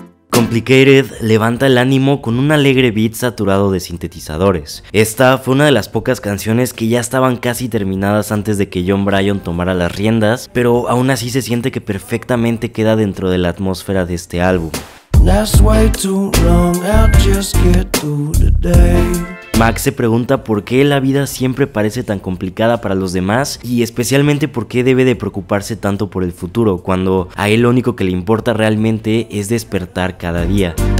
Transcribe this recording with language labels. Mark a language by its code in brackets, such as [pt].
[es] Complicated levanta el ánimo con un alegre beat saturado de sintetizadores. Esta fue una de las pocas canciones que ya estaban casi terminadas antes de que John Bryan tomara las riendas, pero aún así se siente que perfectamente queda dentro de la atmósfera de este álbum. [en] That's way too long, I'll just get through the day. [es] Mac se pregunta por qué la vida siempre parece tan complicada para los demás y especialmente por qué debe de preocuparse tanto por el futuro cuando a él lo único que le importa realmente es despertar cada día.